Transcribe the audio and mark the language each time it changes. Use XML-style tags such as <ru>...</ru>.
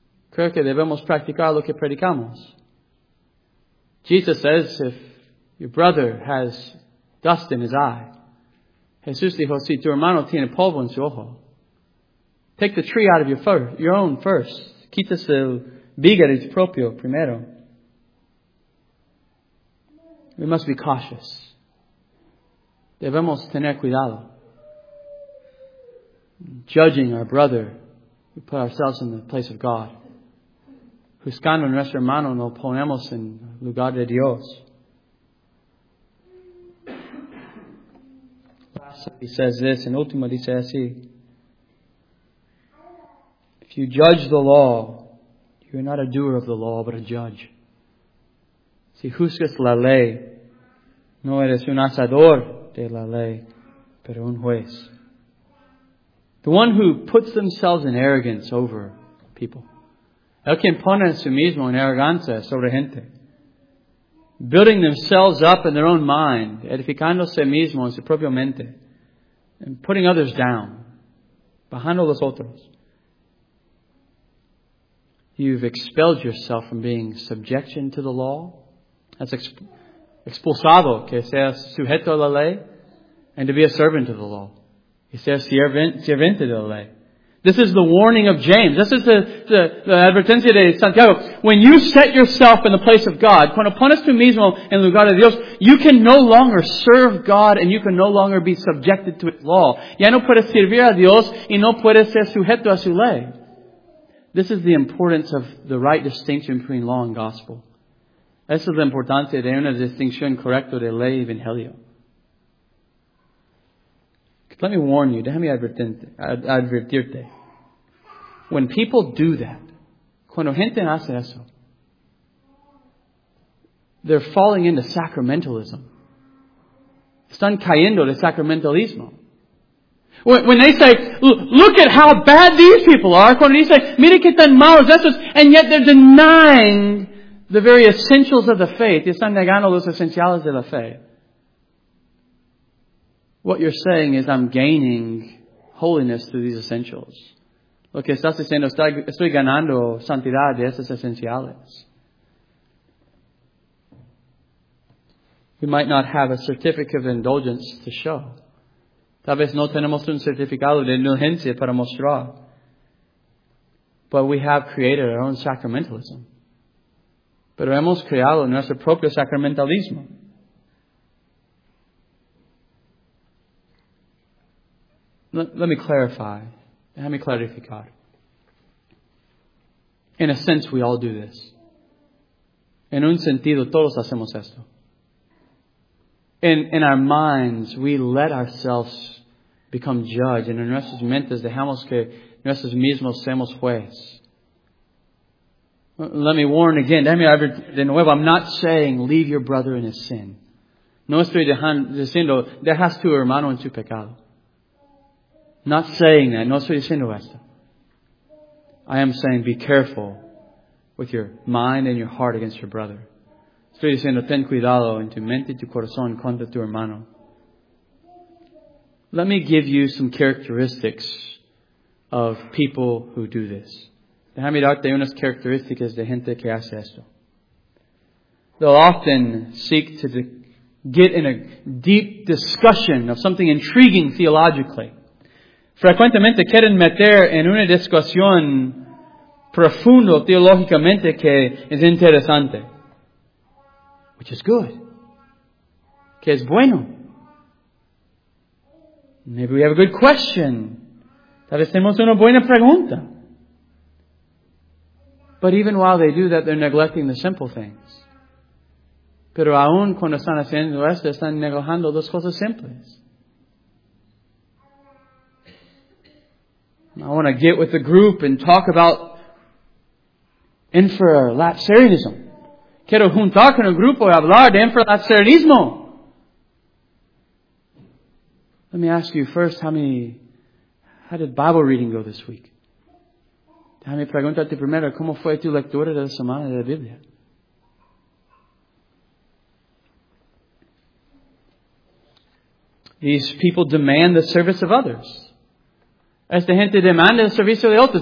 <es>Creo que debemos practicar lo que predicamos.</es> <en>Jesus says, if your brother has dust in his eye,</en> <es>Jesús dijo, si tu hermano tiene polvo en su ojo,</es> <en>take the tree out of your own first.</en> <es>Quitas el viga de tu propio primero.</es> <en>We must be cautious.</en> <es>Debemos tener cuidado.</es> <en>Judging our brother, we put ourselves in the place of God.</en> <es>Juzgando a nuestro hermano, nos ponemos en lugar de Dios.</es> <en>He says this, and</en> <es>ultimo dice así.</es> <en>If you judge the law, you are not a doer of the law, but a judge.</en> <es>Si juzgas la ley, no eres un asador de la ley, pero un juez.</es> <en>The one who puts themselves in arrogance over people.</en> <es>El quien pone a sí mismo en arrogancia sobre gente.</es> <en>Building themselves up in their own mind.</en> <es>Edificando a sí mismo en su propia mente.</es> <en>And putting others down.</en> <es>Bajando los otros.</es> <en>You've expelled yourself from being subjection to the law. That's</en> <es>expulsado que seas sujeto a la ley.</es> <en>And to be a servant of the law. He says,</en> <es>siervente de la ley.</es> <en>This is the warning of James. This is the</en> <es>advertencia de Santiago.</es> <en>When you set yourself in the place of God,</en> <es>cuando pones tú mismo en lugar de Dios,</es> <en>you can no longer serve God and you can no longer be subjected to His law.</en> <es>Ya no puedes servir a Dios y no puedes ser sujeto a su ley.</es> <en>This is the importance of the right distinction between law and gospel.</en> <es>Esa es la importancia de una distinción correcta de ley y evangelio.</es> <en>Let me warn you,</en> <es>déjame advertirte.</es> <en>When people do that,</en> <es>cuando gente hace eso,</es> <en>they're falling into sacramentalism.</en> <es>Están cayendo de sacramentalismo.</es> <en>When they say, look at how bad these people are,</en> <es>cuando dice, mire que tan malos esos,</es> <en>and yet they're denying the very essentials of the faith,</en> <es>están negando los esenciales de la fe.</es> <en>What you're saying is I'm gaining holiness through these essentials.</en> <es>Lo que estás diciendo, estoy ganando santidad de esos esenciales.</es> <en>We might not have a certificate of indulgence to show.</en> <es>Tal vez no tenemos un certificado de indulgencia para mostrar.</es> <en>But we have created our own sacramentalism.</en> <es>Pero hemos creado nuestro propio sacramentalismo.</es> <en>Let me clarify.</en> <es>Déjame clarificar.</es> <en>In a sense, we all do this.</en> <es>En un sentido, todos hacemos esto.</es> <en>In our minds, we let ourselves become judge. And</en> <es>en nuestras mentes dejamos que nosotros mismos seamos juez.</es> <en>Let me warn again.</en> <es>De nuevo,</es> <en>I'm not saying leave your brother in his sin.</en> <es>No estoy diciendo dejas tu hermano en tu pecado.</es> <en>Not saying that.</en> <es>No estoy diciendo esto.</es> <en>I am saying be careful with your mind and your heart against your brother.</en> <es>Estoy diciendo ten cuidado en tu mente y tu corazón contra tu hermano.</es> <en>Let me give you some characteristics of people who do this.</en> <es>Déjame darte unas características de gente que hace esto.</es> <en>They'll often seek to get in a deep discussion of something intriguing theologically.</en> <es>Frecuentemente quieren meter en una discusión profundo teológicamente que es interesante.</es> <en>Which is good.</en> <es>Que es bueno.</es> <en>Maybe we have a good question.</en> <es>Tal vez tenemos una buena pregunta.</es> <en>But even while they do that, they're neglecting the simple things.</en> <es>Pero aún cuando están haciendo esto, están negando las cosas simples.</es> <en>I want to get with the group and talk about infralapsarianism.</en> <es>Quiero juntar con el grupo y hablar de infralapsarianismo.</es> <en>Let me ask you first, how did Bible reading go this week?</en> <es>Déjame preguntarte primero, ¿cómo fue tu lectura de la semana de la Biblia?</es> <en>These people demand the service of others.</en> <es>Esta gente demanda el servicio de otros.</es>